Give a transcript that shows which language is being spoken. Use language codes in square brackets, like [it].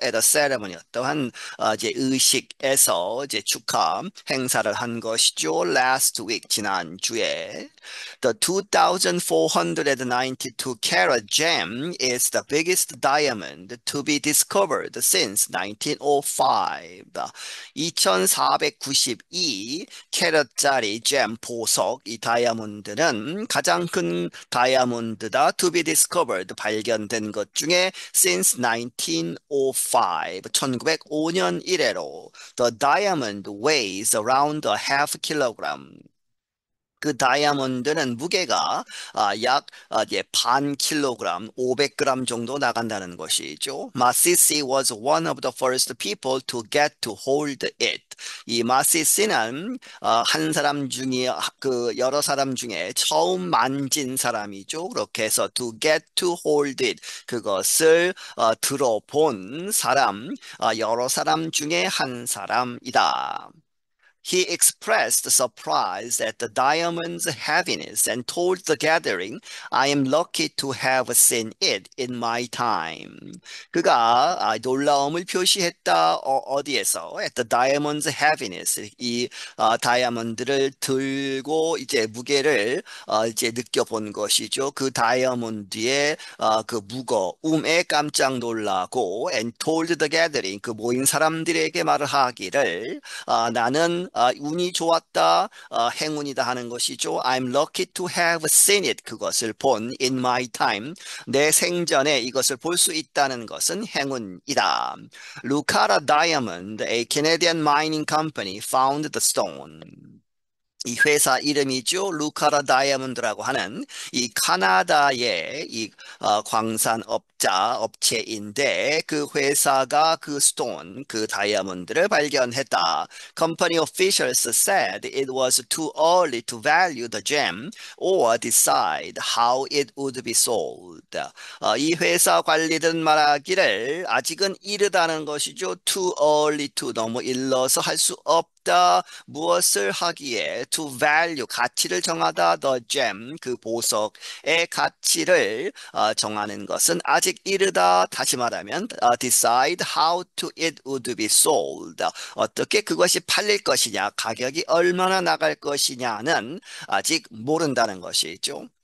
[en] at a ceremony [ko] 또한 이제 의식에서 이제 축하 행사를 한 것이죠. [en] last week [ko] 지난주에 [en] the 2,492 carat gem is the biggest diamond to be discovered since 1905. [ko] 2492 캐럿짜리 잼 보석 이 다이아몬드는 가장 큰 다이아몬드다. [en] To be discovered [ko] 발견된 것 중에 [en] since 1905, [ko] 1905년 이래로. [en] The diamond weighs around a half kilogram. [ko] 그 다이아몬드는 무게가 약 반 킬로그램, 500g 정도 나간다는 것이죠. [en] Masisi was one of the first people to get to hold it. [ko] 이 마시시는 한 사람 중에 그 여러 사람 중에 처음 만진 사람이죠. 그렇게 해서 [en] to get to hold it [ko] 그것을 들어본 사람, 여러 사람 중에 한 사람이다. [en] He expressed surprise at the diamond's heaviness and told the gathering, I am lucky to have seen it in my time. [ko] 그가 놀라움을 표시했다. 어디에서? [en] At the diamond's heaviness. [ko] 이 다이아몬드를 들고 이제 무게를 이제 느껴본 것이죠. 그 다이아몬드의 그 무거움에 깜짝 놀라고 [en] and told the gathering, [ko] 그 모인 사람들에게 말을 하기를 나는 운이 좋았다, 행운이다 하는 것이죠. [en] I'm lucky to have seen it. [ko] 그것을 본 [en] in my time. [ko] 내 생전에 이것을 볼수 있다는 것은 행운이다. [en] Lucara Diamond, a Canadian mining company, found the stone. [ko] 이 회사 이름이죠. 루카라 다이아몬드라고 하는 이 카나다의 이 광산 업체인데 그 회사가 그 스톤, 그 다이아몬드를 발견했다. [en] Company officials said it was too early to value the gem or decide how it would be sold. [ko] 이 회사 관리들은 말하기를 아직은 이르다는 것이죠. [en] Too early to [ko] 너무 일러서 할수 없다. 무엇을 하기에 [en] to value [ko] 가치를 정하다 [en] the gem [ko] 그 보석의 가치를 정하는 것은 아직 이르다 다시 말하면 [en] decide how to it would be sold [ko] 어떻게 그것이 팔릴 것이냐 가격이 얼마나 나갈 것이냐는 아직 모른다는 것이죠.